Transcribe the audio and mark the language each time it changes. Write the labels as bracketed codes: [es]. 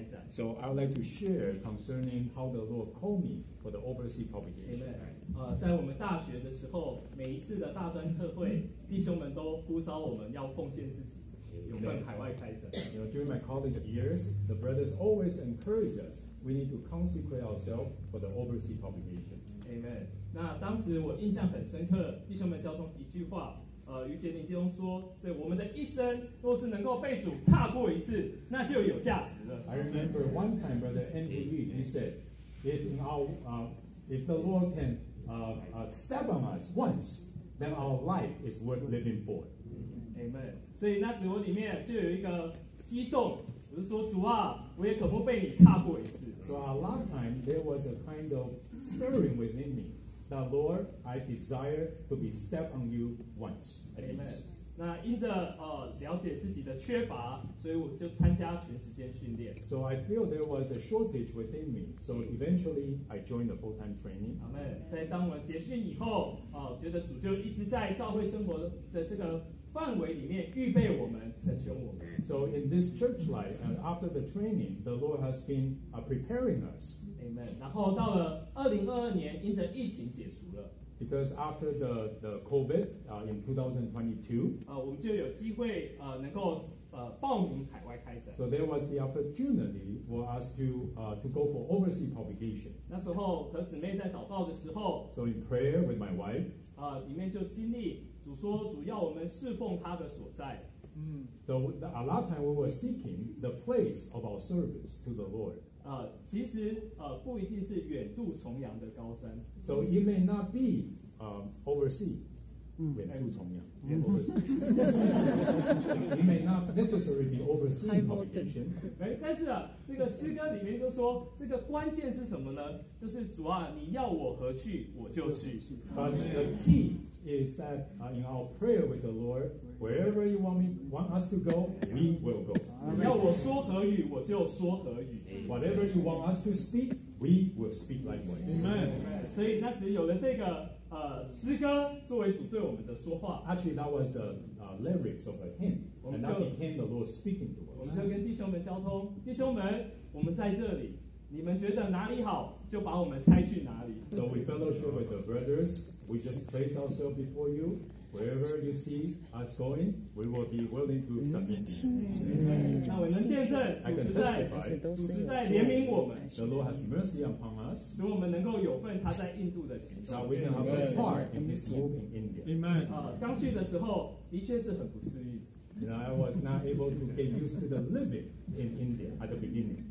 [en] So I would like to share concerning how the Lord called me for the overseas propagation. Amen. [zh] 在我们大学的时候，每一次的大专特会，弟兄们都呼召我们要奉献自己。 [en] You know, during my college years, the brothers always encourage us. We need to consecrate ourselves for the overseas publication. Amen. [zh] 那当时我印象很深刻，弟兄们交通一句话，于杰林弟兄说，对我们的一生，若是能够被主踏过一次，那就有价值了。 [en] I remember one time, Brother Andrew, he said, if in our, if the Lord can, step on us once, then our life is worth living for. Amen. [zh] 所以那时我里面就有一个激动，我就说主啊，我也可不被你踏过一次。 [en] So a lot of time there was a kind of stirring within me. That Lord, I desire to be stepped on you once. Amen. [zh] 那因着了解自己的缺乏，所以我就参加全时间训练。 [en] So I feel there was a shortage within me. So eventually I joined the full-time training. Amen. [zh] 在当我结训以后，觉得主就一直在教会生活的这个范围里面预备我们，成全我们。 [en] So in this church life, and after the training, the Lord has been preparing us. Amen. [zh] 然后到了2022年，因着疫情解除了。 [en] Because after the COVID in 2022, [zh] 我们就有机会能够报名海外开展。 [en] So there was the opportunity for us to go for overseas publication. [zh] 那时候和姊妹在祷告的时候 [en] ，So in prayer with my wife, [zh] 里面就经历主说主要我们侍奉他的所在。 [en] So a lot of time we were seeking the place of our service to the Lord. [zh] 其实不一定是远渡重洋的高山。 [en] So it may not be overseas, [zh] 远渡重洋。 [en] It may not necessarily be overseas publication. [zh] 但是这个诗歌里面就说，这个关键是什么呢？就是主啊，你要我何去，我就去。 [en] The key is that in our prayer with the Lord, wherever you want us to go, we will go. [zh] 要我说何语，我就说何语。 [en] Whatever you want us to speak. We will speak likewise. Amen. [zh] 所以那时有了这个诗歌作为主对我们的说话。 [en] Actually, that was a lyrics of a hymn, and that became the Lord speaking to us. [zh] 我们就跟弟兄们交通，弟兄们，我们在这里，你们觉得哪里好，就把我们差去哪里。 [en] So we fellowship with the brothers. We just place ourselves before you. Wherever you see us going, we will be willing to submit. [zh] 那我能见证主实在怜悯我们。 [en] The Lord has mercy upon us. [zh] 使我们能够有份他在印度的行动。 [en] Now we can have a part in His work in India. Amen. [zh] 刚去的时候的确是很不适应。 [en] And I was not able to get used to the living in India at the beginning.